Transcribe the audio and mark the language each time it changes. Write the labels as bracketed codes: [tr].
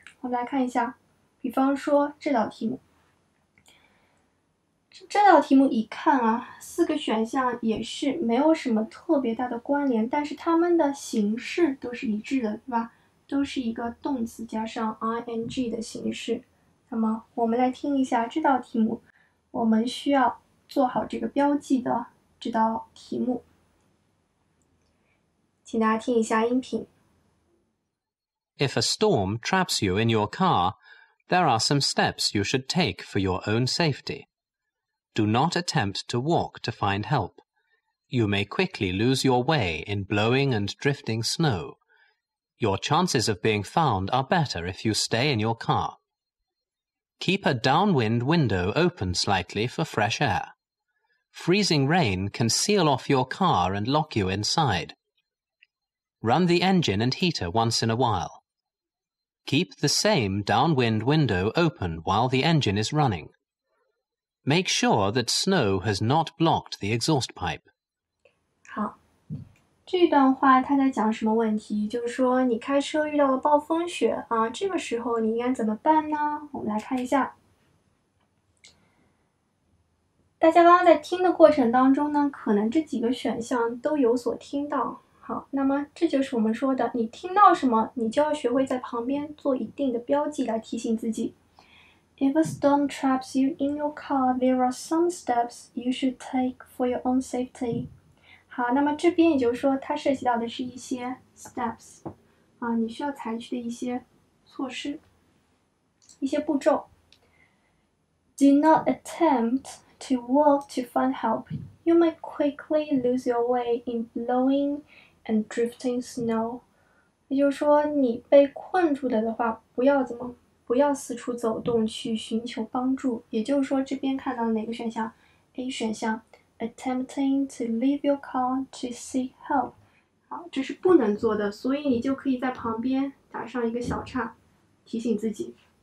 [zh] 我们来看一下，比方说这道题目，这道题目一看啊，四个选项也是没有什么特别大的关联，但是它们的形式都是一致的，对吧？都是一个动词加上 ing 的形式。那么我们来听一下这道题目，我们需要做好这个标记的这道题目，请大家听一下音频。 [en] If a storm traps you in your car, there are some steps you should take for your own safety. Do not attempt to walk to find help. You may quickly lose your way in blowing and drifting snow. Your chances of being found are better if you stay in your car. Keep a downwind window open slightly for fresh air. Freezing rain can seal off your car and lock you inside. Run the engine and heater once in a while. Keep the same downwind window open while the engine is running. Make sure that snow has not blocked the exhaust pipe. [zh] 好，这段话它在讲什么问题？就是说你开车遇到了暴风雪啊，这个时候你应该怎么办呢？我们来看一下。大家刚刚在听的过程当中呢，可能这几个选项都有所听到。好，那么这就是我们说的，你听到什么，你就要学会在旁边做一定的标记来提醒自己。 [en] If a storm traps you in your car, there are some steps you should take for your own safety. [zh] 好，那么这边也就是说，它涉及到的是一些 steps， 啊，你需要采取的一些措施，一些步骤。 [en] Do not attempt. To walk to find help, you might quickly lose your way in blowing and drifting snow. [zh] 也就是说，你被困住了的话，不要四处走动去寻求帮助。也就是说，这边看到哪个选项 ？A 选项 ， attempting to leave your car to seek help. 好，这是不能做的，所以你就可以在旁边打上一个小叉，提醒自己。